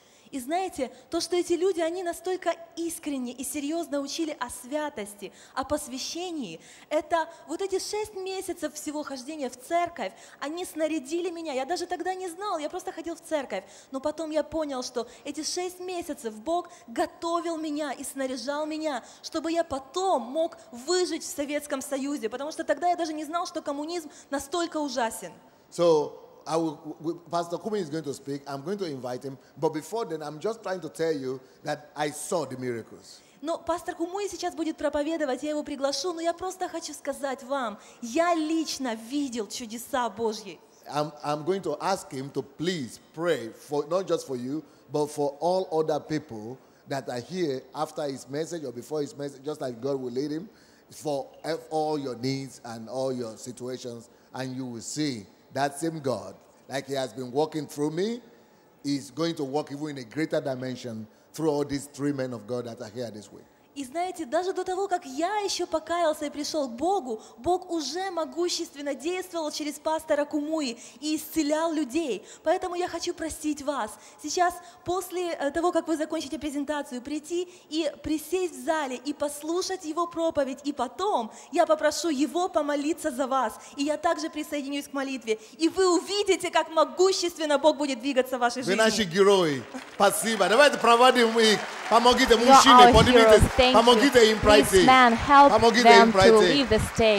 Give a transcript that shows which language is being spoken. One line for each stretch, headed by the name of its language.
Russian: И знаете, то, что эти люди, они настолько искренне и серьезно учили о святости, о посвящении, это вот эти 6 месяцев всего хождения в церковь, они снарядили меня. Я даже тогда не знал, я просто ходил в церковь. Но потом я понял, что эти 6 месяцев Бог готовил меня и снаряжал меня, чтобы я потом мог выжить в Советском Союзе, потому что тогда я даже не знал, что коммунизм настолько ужасен.
English: So, I will, Pastor Kumi is going to speak. I'm going to invite him. But before then, I'm just trying to tell you that I saw the miracles.
Russian: Но пастор Кумуи сейчас будет проповедовать, я его приглашу, но я просто хочу сказать вам, я лично видел чудеса Божьи.
English: I'm going to ask him to please pray for not just for you, but for all other people that are here after his message or before his message, just like God will lead him, for all your needs and all your situations, and you will see that same God, like he has been walking through me, is going to walk even in a greater dimension through all these 3 men of God that are here this week.
Russian: И знаете, даже до того, как я еще покаялся и пришел к Богу, Бог уже могущественно действовал через пастора Кумуи и исцелял людей. Поэтому я хочу просить вас сейчас, после того, как вы закончите презентацию, прийти и присесть в зале и послушать его проповедь, и потом я попрошу его помолиться за вас, и я также присоединюсь к молитве, и вы увидите, как могущественно Бог будет двигаться в вашей жизни. Вы наши герои. Спасибо. Давайте проводим их. Помогите мужчине, поднимитесь.
English: Thank you. Please, man, help them to leave the stage.